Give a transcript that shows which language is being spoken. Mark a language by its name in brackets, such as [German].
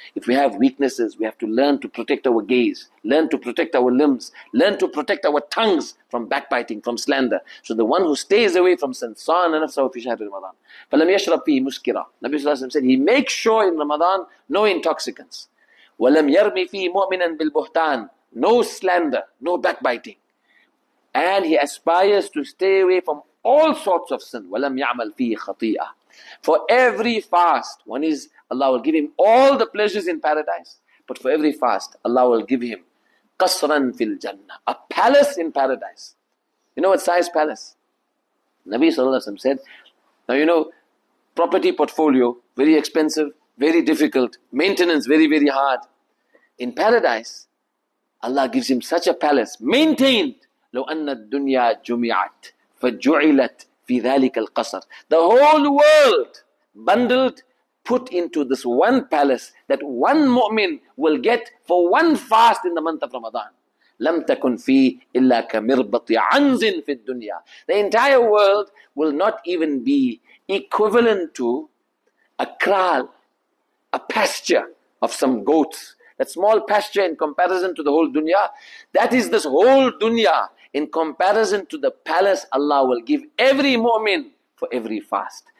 [English] If we have weaknesses, we have to learn to protect our gaze, learn to protect our limbs, learn to protect our tongues from backbiting, from slander. So the one who stays away from sin, sa'an and nafsahu fi shahri Ramadan. [Arabic] فَلَمْ يَشْرَبْ فِيهِ مُسْكِرًا [English] Nabi Sallallahu Alaihi Wasallam said, he makes sure in Ramadan, no intoxicants. [Arabic] وَلَمْ يَرْمِ فِيهِ مُؤْمِنًا بِالْبُهْتَانِ [English] No slander, no backbiting. And he aspires to stay away from all sorts of sin. [Arabic] وَلَمْ يَعْمَلْ فِيهِ خَطِيئَةً [English] For every fast, one is Allah will give him all the pleasures in paradise. But for every fast, Allah will give him qasran fil jannah, a palace in paradise. You know what size palace? Nabi Sallallahu Alaihi Wasallam said, now you know, property portfolio, very expensive, very difficult, maintenance very, very hard. In paradise, Allah gives him such a palace, maintained. [Arabic] لو أن الدنيا جمعت فجعلت في ذلك القصر. [English] The whole world bundled, put into this one palace that one mu'min will get for one fast in the month of Ramadan. [Arabic] لم تكن في إلا كمربط عنز في الدنيا. [English] The entire world will not even be equivalent to a kraal, a pasture of some goats. That small pasture in comparison to the whole dunya, that is this whole dunya. In comparison to the palace Allah will give every mu'min for every fast.